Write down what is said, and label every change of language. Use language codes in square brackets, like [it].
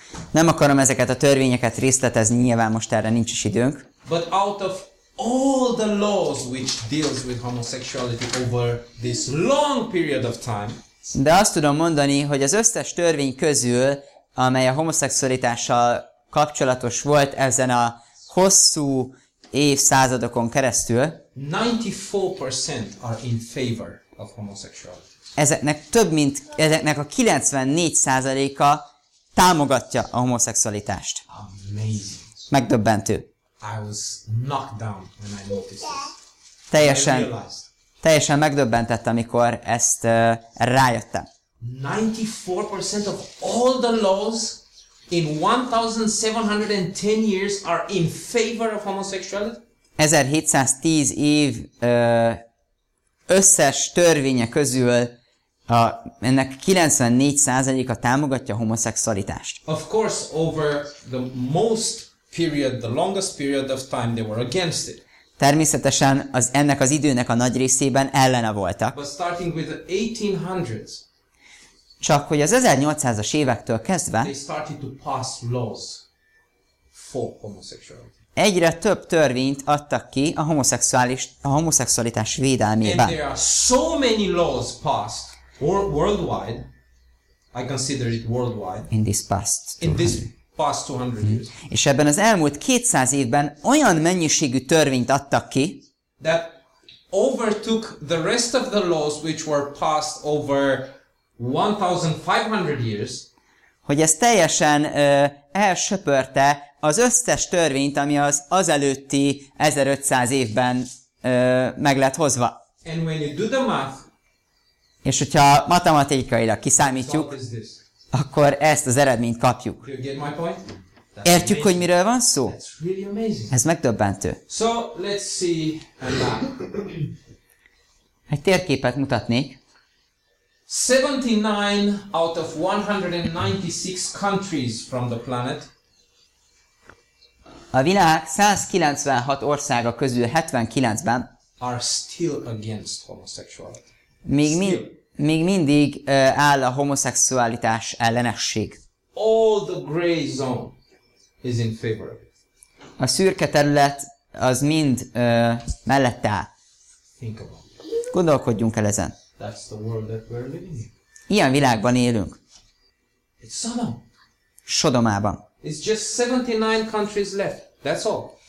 [hu] Nem akarom ezeket a törvényeket részletezni, nyilván most erre nincs is időnk. [en] But out of all the laws which deals with homosexuality over this long period of time. [hu] De azt tudom mondani, hogy az összes törvény közül, amely a homoszexualitással kapcsolatos volt ezen a hosszú évszázadokon keresztül, [en] 94% are in favor of homosexuality. [hu] Ezeknek a 94%-a támogatja a homoszexualitást. [en] Amazing. [hu] Megdöbbentő. [en] I was knocked down when I noticed it. [hu] Teljesen megdöbbentett, amikor ezt rájöttem. [en] 94% of all the laws in 1710 years are in favor of homosexuality. [hu] 1710 év összes törvénye közül ennek 94%-a támogatja a homoszexualitást. [en] Of course, over the most period, the longest period of time they were against it. [hu] Természetesen az ennek az időnek a nagy részében ellene voltak. [en] But starting with the 1800s. [hu] Csak hogy az 1800-as évektől kezdve [en] they started to pass laws for homosexuality. [hu] Egyre több törvényt adtak ki a homoszexualitás védelmében. [en] And there are so many laws passed worldwide. I consider it worldwide. In this past 200 years. [hu] És ebben az elmúlt 200 évben olyan mennyiségű törvényt adtak ki, [en] that overtook the rest of the laws which were passed over 1500 years, [hu] hogy ez teljesen elsöpörte az összes törvényt, ami az azelőtti 1500 évben meg lett hozva. [en] And when you do the math, [hu] és hogyha matematikailag kiszámítjuk, akkor ezt az eredményt kapjuk. [en] You get my point? [hu] Értjük, amazing. Hogy miről van szó? [en] That's really amazing. [hu] Ez megdöbbentő. [en] So, let's see a map. [hu] Egy térképet mutatnék. [en] 79 out of 196 countries from the planet. [hu] A világ 196 országa közül 79-ben [en] are still against homosexuality. [hu] Még mindig áll a homoszexualitás ellenesség. [en] All the gray zone is in favor of it. [hu] A szürke terület az mind mellette áll. [en] Think about it. [hu] Gondolkodjunk el ezen. [en] That's the world that we're living in. [hu] Ilyen világban élünk. [en] It's Sodom. [hu] Sodomában. [en] It's just 79 countries left. That's all.